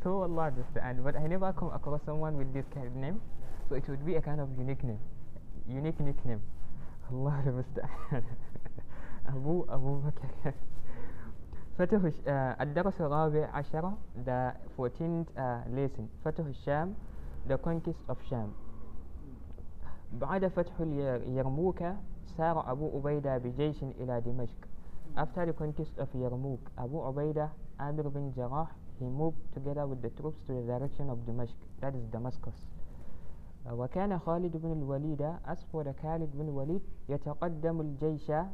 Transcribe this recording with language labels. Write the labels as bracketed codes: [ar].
[en] So Allah Musta'an. But I never come across someone with this kind of name. So it would be a kind of unique name. Unique nickname. Allah Musta'an. Abu Abu Bakr. [ar] Fatah al-Dars al-Rabi' Ashara, [en] the 14th lesson. Fatah al-Sham, the conquest of Sham. [ar] بعد فتح يرموك سار أبو عبيدة بجيش إلى دمشق. [en] After the conquest of يرموك, Abu Ubaidah, Amir bin Jarrah, he moved together with the troops to the direction of Damascus. That is Damascus. [ar] وكان خالد بن الوليد أسفر خالد بن الوليد يتقدم الجيش.